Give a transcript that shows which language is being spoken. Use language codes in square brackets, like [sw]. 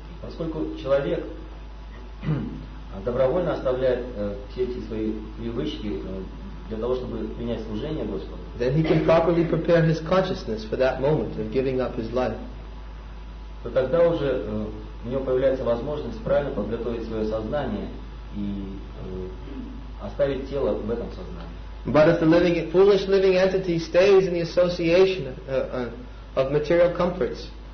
[ru] Поскольку человек добровольно оставляет все эти свои привычки для того, чтобы принять служение Господу. [en] Then he can properly prepare his consciousness for that moment of giving up his life. [ru] То тогда уже у него появляется возможность правильно подготовить свое сознание и оставить тело в этом сознании. [en] But if the living, foolish living entity stays in the association of material comforts.